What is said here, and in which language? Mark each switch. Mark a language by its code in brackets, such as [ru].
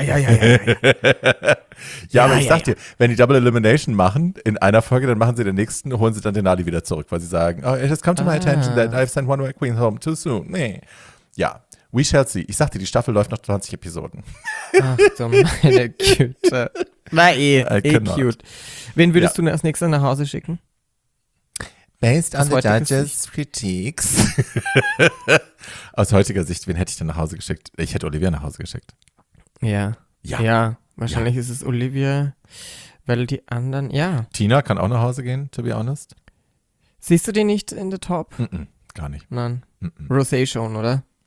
[de] Ja, aber ich sag dir, wenn die Double Elimination machen in einer Folge, dann machen sie den nächsten, holen sie dann den Nali wieder zurück, weil sie sagen, [en] oh, it has come to my attention that I've sent one way queen home too soon. [de] Nee. Ja, [en] we shall see. [de] Ich sag dir, die Staffel läuft noch 20 Episoden. Ach du meine Güte. Na cute. Wen würdest du als nächstes nach Hause schicken? [en] Based on the judges' critiques. [de] Aus heutiger Sicht, wen hätte ich denn nach Hause geschickt? Ich hätte Olivia nach Hause geschickt. Ja. Wahrscheinlich ist es Olivia, weil die anderen, Tina kann auch nach Hause gehen, [en] to be honest. [de] Siehst du die nicht [en] in the top? [de] Mm-mm, gar nicht. Nein. Rosé schon, oder?